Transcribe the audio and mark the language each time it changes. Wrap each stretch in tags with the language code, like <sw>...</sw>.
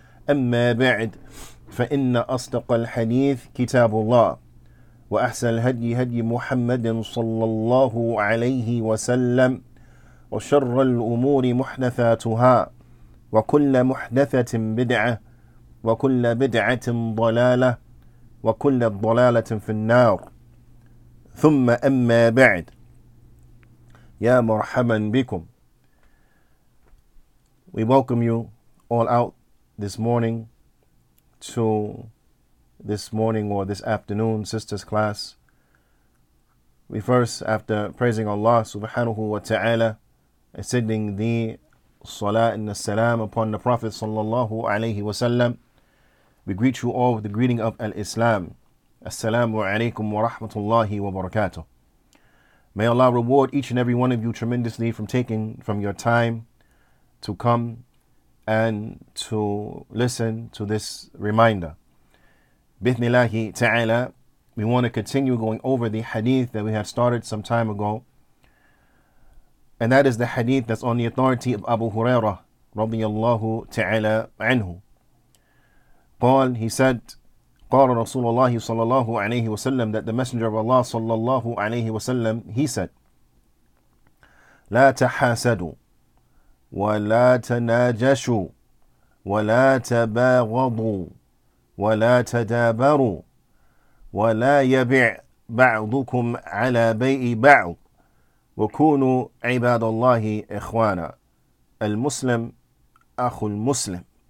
<ar>أما بعد فإن أصدق الحديث كتاب الله وأحسن الهدي هدي محمد صلى الله عليه وسلم وشر الأمور محدثاتها وكل محدثة بدعة وكل بدعة ضلالة وكل الضلالة في النار ثم أما بعد يا مرحبا بكم.</ar> <en>We welcome you all out this morning to this morning or this afternoon sisters class. We first, after praising Allah subhanahu wa ta'ala and sending the salat and the salam upon the Prophet sallallahu alayhi wa sallam, we greet you all with the greeting of Al-Islam.</en> <ar>Assalamu alaikum wa rahmatullahi wa barakatuh.</ar> <en>May Allah reward each and every one of you tremendously from taking from your time to come and to listen to this reminder.</en> <ar>Bithnillahi ta'ala,</ar> <en>we want to continue going over the hadith that we had started some time ago. And that is the hadith that's on the authority of Abu Huraira radiyallahu ta'ala anhu.</en> <ar>قال,</ar> <en>he said,</en> <ar>قال رسول الله صلى الله عليه وسلم,</ar> <en>that the Messenger of Allah</en> <ar>صلى الله عليه وسلم, he said, لا تحاسدوا ولا تناجشوا ولا تباغضوا ولا تدابروا ولا يبع بعضكم على بيع بعض وكونوا عباد الله إخوانا المسلم أخو المسلم.</ar>